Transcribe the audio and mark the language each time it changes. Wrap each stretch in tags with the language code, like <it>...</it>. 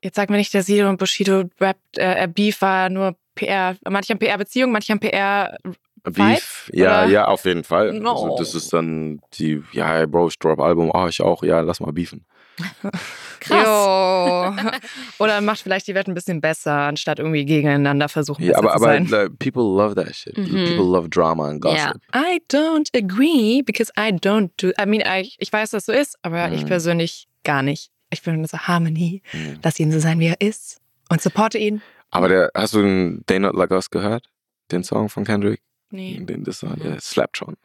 <de>Jetzt sag mir nicht, der Sido und Bushido rappt, Beef war nur PR, manchmal PR-Beziehung, manchmal PR Beef, ja, oder? Ja, auf jeden Fall.</de> <en>No.</en> <de>Also, das ist dann die, ja, Bro, ich drop Album, oh, ich auch, ja, lass mal beefen. Krass. <Jo. lacht> Oder macht vielleicht die Welt ein bisschen besser, anstatt irgendwie gegeneinander versuchen, ja, aber, zu sein. Aber</de> <en>like, people love that shit. Mm-hmm. People love drama and gossip. Yeah. I don't agree, because I don't do, I mean,</en> <de>ich weiß, dass so ist, aber ich persönlich gar nicht. Ich bin so, Harmony, lass ihn so sein, wie er ist und supporte ihn. Aber der, hast du den They Not Like Us gehört? Den Song von Kendrick? Nee. Den, das war, der slapped schon.</de>